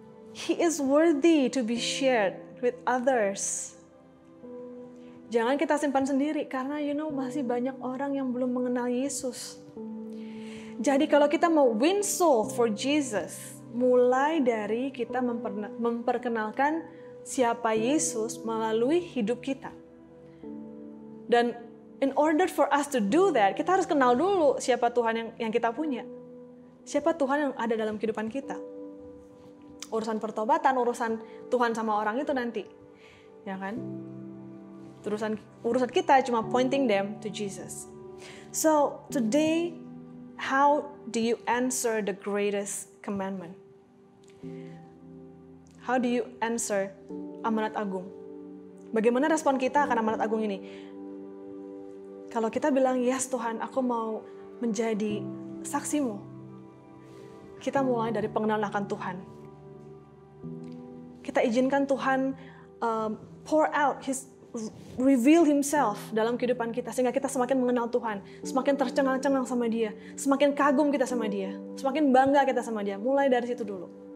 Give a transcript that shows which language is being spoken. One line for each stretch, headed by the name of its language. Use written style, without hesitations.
English: He is worthy to be shared with others.
Indonesian: Jangan kita simpan sendiri, karena
English: you know
Indonesian: masih banyak orang yang belum mengenal Yesus. Jadi kalau kita mau
English: win souls for Jesus,
Indonesian: mulai dari kita memperkenalkan siapa Yesus melalui hidup kita. Dan
English: in order for us to do that,
Indonesian: kita harus kenal dulu siapa Tuhan yang kita punya. Siapa Tuhan yang ada dalam kehidupan kita. Urusan pertobatan, urusan Tuhan sama orang itu nanti. Ya kan? Urusan kita cuma
English: pointing them to Jesus. So, today, how do you answer the greatest commandment? How do you answer
Indonesian: amanat agung? Bagaimana respon kita akan amanat agung ini? Kalau kita bilang, yes Tuhan, aku mau menjadi saksimu. Kita mulai dari pengenalan akan Tuhan. Kita izinkan Tuhan
English: pour out His reveal Himself
Indonesian: dalam kehidupan kita sehingga kita semakin mengenal Tuhan, semakin tercengang-cengang sama Dia, semakin kagum kita sama Dia, semakin bangga kita sama Dia. Mulai dari situ dulu.